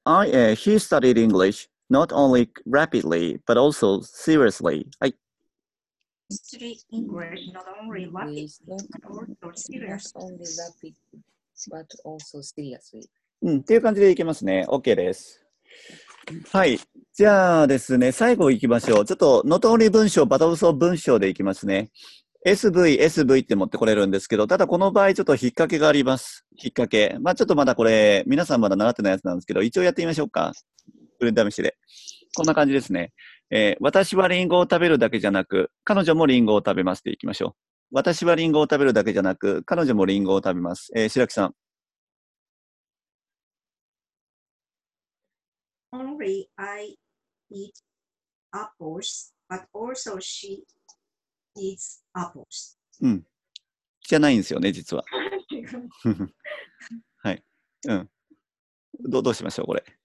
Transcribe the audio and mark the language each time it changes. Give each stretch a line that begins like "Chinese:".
English: He studied English not only rapidly, but also seriously. He studied English not only rapidly, but also seriously.
Japanese: うん。っていう感じで行きますね。 OK です。はい。じゃあですね、最後行きましょう。ちょっと、not only 文章、but also 文章で行きますね。 SV、SV って持ってこれるんですけど、ただこの場合ちょっと引っ掛けがあります。引っ掛け。まあちょっとまだこれ、皆さんまだ習ってないやつなんですけど、一応やってみましょうか。フレンダムシで。こんな感じですね。私はリンゴを食べるだけじゃなく、彼女もリンゴを食べますっていきましょう。私はリンゴを食べるだけじゃなく、彼女もリンゴを食べます。白木さん。
English: Only I eat apples, but also she eats apples.
Japanese: うん、じゃないんですよね、実は。はい。うん。どうしましょう、これ。